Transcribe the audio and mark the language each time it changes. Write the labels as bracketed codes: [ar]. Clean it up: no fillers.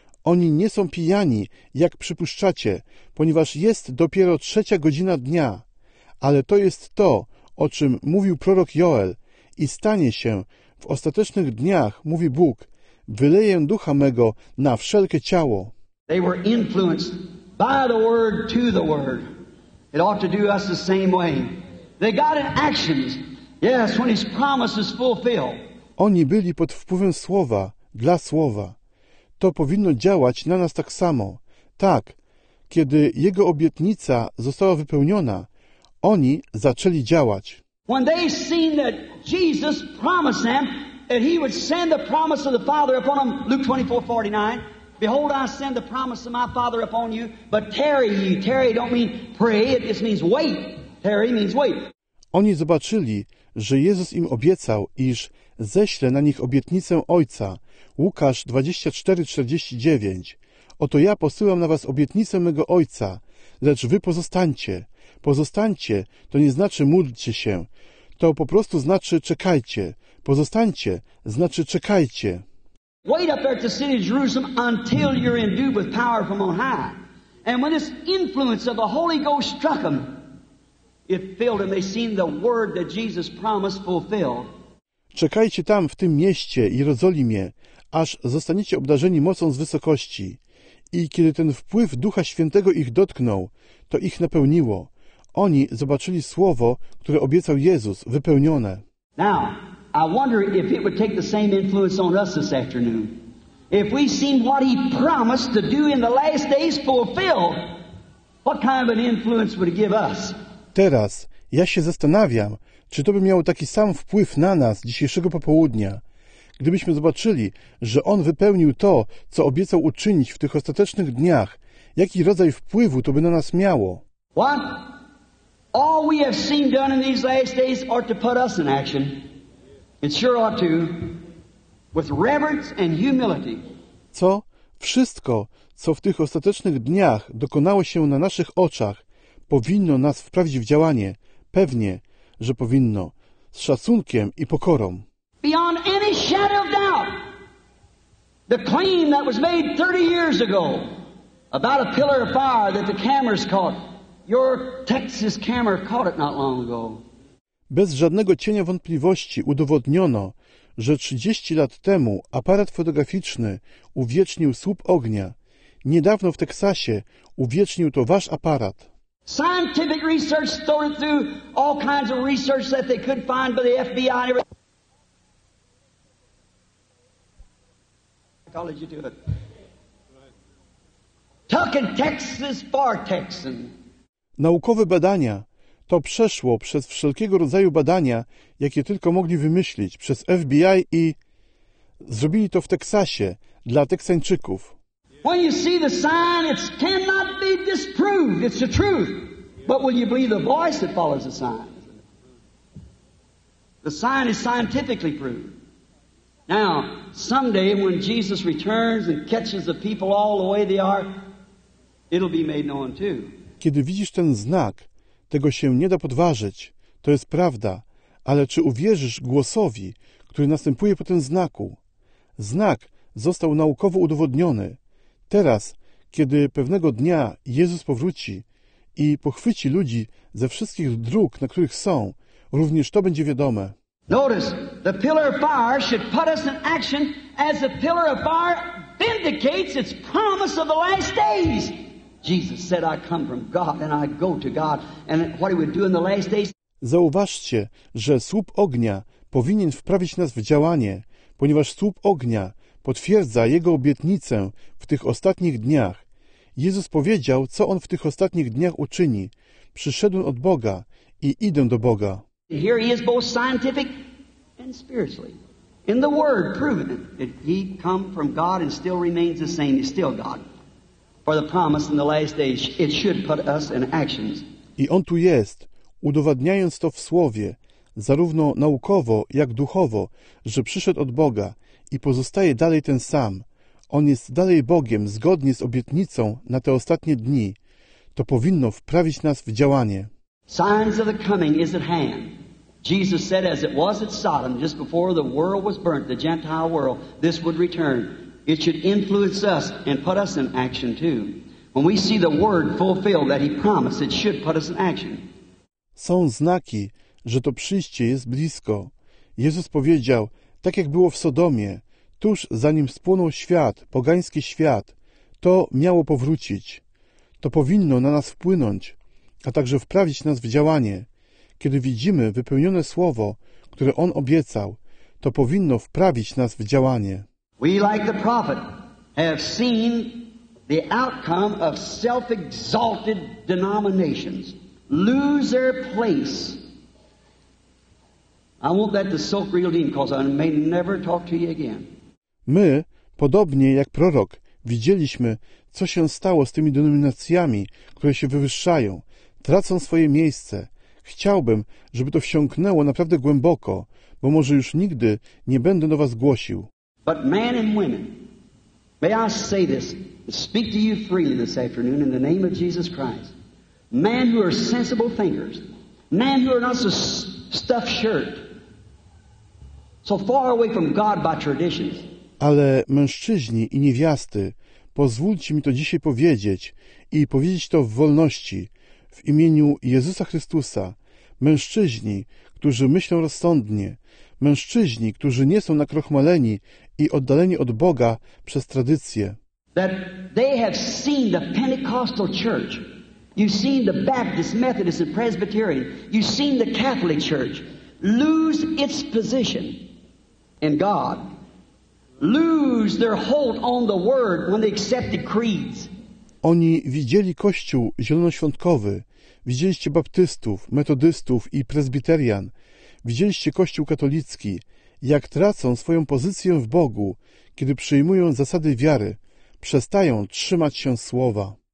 [pl] Oni nie są pijani, jak przypuszczacie, ponieważ jest dopiero trzecia godzina dnia. Ale to jest to, o czym mówił prorok Joel i stanie się w ostatecznych dniach, mówi Bóg, wyleję ducha mego na wszelkie ciało. [en] They were influenced by the word to the word. It ought to do us the same way. They got in actions. Yes, when his promise is fulfilled. [pl] Oni byli pod wpływem słowa, dla słowa. To powinno działać na nas tak samo. Tak, kiedy jego obietnica została wypełniona, oni zaczęli działać. [en] When they seen that Jesus promised them that he would send the promise of the Father upon them, Luke 24:49, behold, I send the promise of my Father upon you, but tarry ye. Tarry don't mean pray, it just means wait. Tarry means wait. [pl] Oni zobaczyli, że Jezus im obiecał, iż ześle na nich obietnicę Ojca, Łukasz 24:49. Oto ja posyłam na was obietnicę mego Ojca, lecz wy pozostańcie. Pozostańcie to nie znaczy módlcie się, to po prostu znaczy czekajcie. Pozostańcie znaczy czekajcie. [en] Wait up at the city of Jerusalem until you're endued with power from on high. And when this influence of the Holy Ghost struck them, it filled them. They seen the word that Jesus promised fulfilled. [pl] Czekajcie tam w tym mieście, Jerozolimie, aż zostaniecie obdarzeni mocą z wysokości. I kiedy ten wpływ Ducha Świętego ich dotknął, to ich napełniło. Oni zobaczyli słowo, które obiecał Jezus, wypełnione. [en] Now, I wonder if it would take the same influence on us this afternoon. If we seen what he promised to do in the last days fulfilled, what kind of an influence would it give us? [pl] Teraz ja się zastanawiam, czy to by miało taki sam wpływ na nas dzisiejszego popołudnia, gdybyśmy zobaczyli, że On wypełnił to, co obiecał uczynić w tych ostatecznych dniach, jaki rodzaj wpływu to by na nas miało? [en] What? All we have seen done in these last days ought to put us in action. It sure ought to. With reverence and humility. [pl] Co? Wszystko, co w tych ostatecznych dniach dokonało się na naszych oczach, powinno nas wprawić w działanie. Pewnie, że powinno. Z szacunkiem i pokorą. [en] Beyond any shadow of doubt, the claim that was made 30 years ago about a pillar of fire that the cameras caught, your Texas camera caught it not long ago. [pl] Bez żadnego cienia wątpliwości udowodniono, że 30 lat temu aparat fotograficzny uwiecznił słup ognia. Niedawno w Teksasie uwiecznił to wasz aparat. [en] Scientific research started through all kinds of research that they could find by the FBI. Tucking Texas for Texan. [pl] Naukowe badania. To przeszło przez wszelkiego rodzaju badania, jakie tylko mogli wymyślić, przez FBI i zrobili to w Teksasie dla Teksańczyków. [en] When you see the sign, it cannot be disproved. It's the truth. But will you believe the voice that follows the sign? The sign is scientifically proved. Now, someday when Jesus returns and catches the people all the way they are, it'll be made known too. [pl] Kiedy widzisz ten znak, tego się nie da podważyć. To jest prawda, ale czy uwierzysz głosowi, który następuje po tym znaku? Znak został naukowo udowodniony. Teraz, kiedy pewnego dnia Jezus powróci i pochwyci ludzi ze wszystkich dróg, na których są, również to będzie wiadome. [en] Notice, the pillar of fire should put us in action as the pillar of fire vindicates its promise of the last days. Jesus said, I come from God and I go to God. And what he would do in the last days. [pl] Zauważcie, że słup ognia powinien wprawić nas w działanie, ponieważ słup ognia potwierdza jego obietnicę w tych ostatnich dniach. Jezus powiedział, co on w tych ostatnich dniach uczyni. Przyszedłem od Boga i idę do Boga. [en] Here he is both scientific and spiritually. In the Word, proven that he come from God and still remains the same. He's still God. For the promise in the last days, it should put us in actions. [pl] I on tu jest, udowadniając to w Słowie, zarówno naukowo, jak duchowo, że przyszedł od Boga i pozostaje dalej ten sam. On jest dalej Bogiem, zgodnie z obietnicą na te ostatnie dni. To powinno wprawić nas w działanie. [en] Signs of the coming is at hand. Jesus said, as it was at Sodom, just before the world was burnt, the Gentile world, this would return. It should influence us and put us in action too. When we see the word fulfilled that he promised, it should put us in action. [pl] Są znaki, że to przyjście jest blisko. Jezus powiedział, tak jak było w Sodomie, tuż zanim spłonął świat, pogański świat, to miało powrócić. To powinno na nas wpłynąć, a także wprawić nas w działanie. Kiedy widzimy wypełnione słowo, które On obiecał, to powinno wprawić nas w działanie. [en] We, like the prophet, have seen the outcome of self-exalted denominations lose their place. I want that to soak real deep, because I may never talk to you again. [pl] My, podobnie jak prorok, widzieliśmy, co się stało z tymi denominacjami, które się wywyższają, tracą swoje miejsce. Chciałbym, żeby to wsiąknęło naprawdę głęboko, bo może już nigdy nie będę do was głosił. [en] But men and women, may I say this, speak to you freely this afternoon in the name of Jesus Christ. Men who are sensible thinkers, men who are not so stuffed shirt, so far away from God by traditions. [pl] Ale mężczyźni i niewiasty, pozwólcie mi to dzisiaj powiedzieć i powiedzieć to w wolności, w imieniu Jezusa Chrystusa, mężczyźni, którzy myślą rozsądnie, mężczyźni, którzy nie są nakrochmaleni i oddaleni od Boga przez tradycję. [en] That they have seen the Pentecostal church. You've seen the Baptist, Methodist and Presbyterian. You've seen the Catholic church lose its position in God. Lose their hold on the word when they accepted creeds. [pl] Oni widzieli Kościół zielonoświątkowy, widzieliście baptystów, metodystów i prezbiterian, widzieliście Kościół katolicki, jak tracą swoją pozycję w Bogu, kiedy przyjmują zasady wiary, przestają trzymać się słowa.